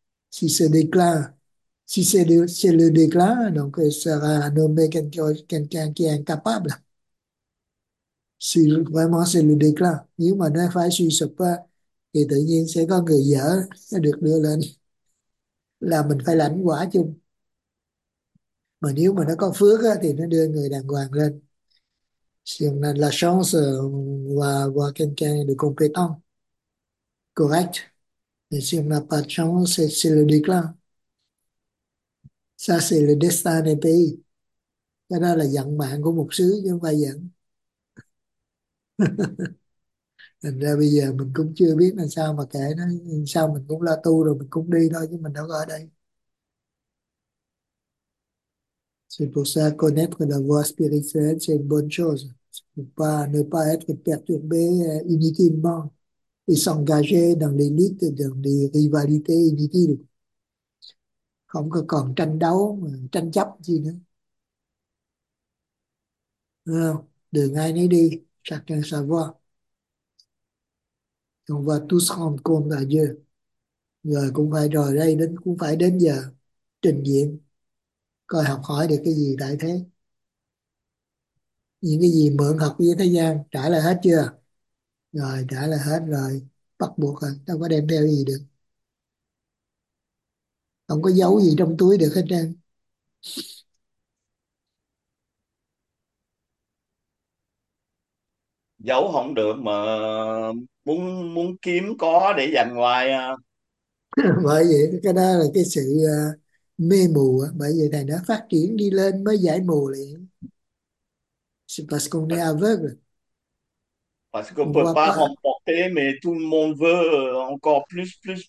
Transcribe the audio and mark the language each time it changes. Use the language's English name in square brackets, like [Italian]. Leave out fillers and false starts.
[French] Si ce déclin, si c'est le déclin, donc il sera nommé quelqu'un qui est incapable. Si vraiment c'est le déclin, [Vietnamese] nếu mà nó phải suy sụp thì tự nhiên sẽ có người dở sẽ được đưa lên, là mình phải lãnh quả chung. Mà nếu mà nó có phước thì nó đưa người đàng hoàng lên. [French] Si on a de la chance, on va avoir quelqu'un de compétent, correct. Mais si on n'a pas de chance, c'est le déclin. Ça, c'est le destin des pays. [Vietnamese] Cái đó là vận mạng của một xứ, chứ không phải dẫn. Thành ra bây giờ mình cũng chưa biết làm sao mà kệ nó. Sao mình cũng lo tu rồi, mình cũng đi thôi, chứ mình đâu có ở đây. [French] C'est pour ça, connaître la voie spirituelle, c'est une bonne chose. Ne pas être perturbé inutilement et s'engager dans les luttes, dans les rivalités inutiles. [Vietnamese] Không có còn tranh đấu, mà tranh chấp gì nữa. Đường ai nấy đi, [French] chacun sa voie. On va tous rendre compte à Dieu. [Vietnamese] Rồi cũng phải rồi đây, đến cũng phải đến giờ trình diện. Coi học hỏi được cái gì tại thế. Những cái gì mượn học với thế gian, trả lại hết chưa? Rồi, trả lại hết rồi. Bắt buộc rồi, đâu có đem theo gì được. Không có giấu gì trong túi được hết trơn. Giấu không được mà muốn muốn kiếm có để dành hoài à. Bởi vậy, cái đó là cái sự mê mù, bởi vì này nó phát triển đi lên mới giải mù liền. [French] C'est parce qu'on est aveugle. Parce qu'on On peut voit pas pas. remporter, mais tout le monde veut encore plus.